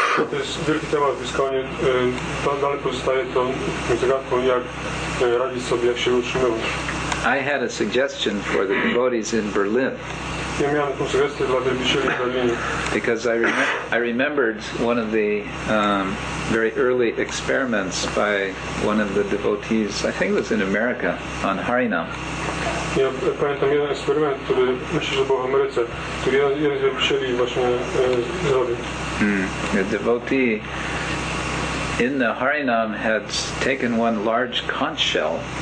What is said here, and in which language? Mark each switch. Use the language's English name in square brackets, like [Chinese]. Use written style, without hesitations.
[Polish] To jest wielki temat w ISKCONie. To dalej pozostaje tą zagadką, jak radzić sobie, jak się utrzymywać. [English] I had a suggestion for the devotees in Berlin. [Polish] Ja miałem taką sugestię dla devotees w Berlinie. [English] Because I remembered one of the very early experiments by one of the devotees, I think it was in America, on Harinam. [Polish] Ja pamiętam jeden eksperyment, który myślę, że był w Ameryce, który jeden z devotees właśnie zrobił. [English] A devotee in the Harinam had taken one large conch shell.